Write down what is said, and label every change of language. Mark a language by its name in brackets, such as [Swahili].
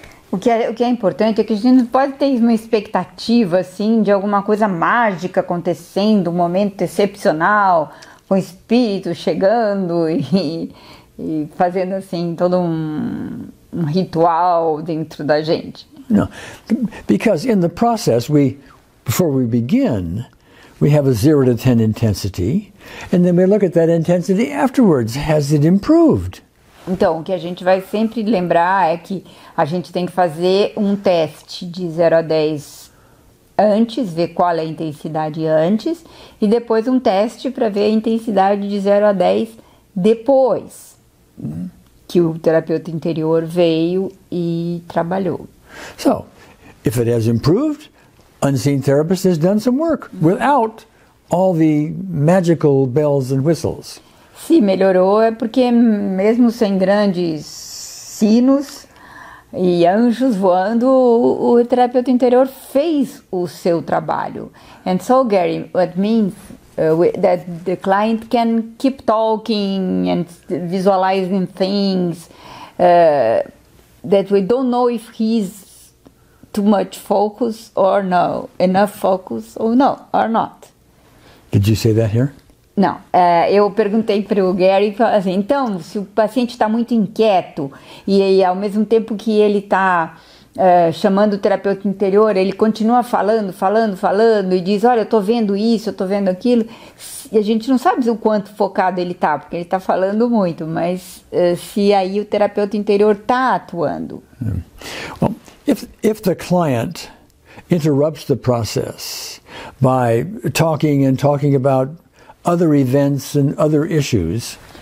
[Portuguese] O que é importante é que a gente não pode ter uma expectativa assim de alguma coisa mágica acontecendo, um momento excepcional, com o espírito chegando e fazendo assim todo um ritual dentro da gente. [English] No, because in the process, before we begin, we have a 0 to 10 intensity, and then we look at that intensity afterwards. Has it improved? [Portuguese] Então, o que a gente vai sempre lembrar é que a gente tem que fazer um teste de 0 a 10 antes, ver qual é a intensidade antes, e depois um teste para ver a intensidade de 0 a 10 depois que o terapeuta interior veio e trabalhou. [English] So, if it has improved, unseen therapist has done some work without all the magical bells and whistles. [Portuguese] Se melhorou é porque mesmo sem grandes sinos e anjos voando, o terapeuta interior fez o seu trabalho. [English] And so, Gary, what means that the client can keep talking and visualizing things that we don't know if he's too much focus or no, enough focus or no, or not. Did you say that here? [Portuguese] Não, eu perguntei para o Gary, assim, então, se o paciente está muito inquieto e ao mesmo tempo que ele está chamando o terapeuta interior, ele continua falando e diz, olha, eu estou vendo isso, eu estou vendo aquilo, e a gente não sabe o quanto focado ele está, porque ele está falando muito, mas se aí o terapeuta interior está atuando. [English] Well, if the client interrupts the process by talking and talking about other events and other issues.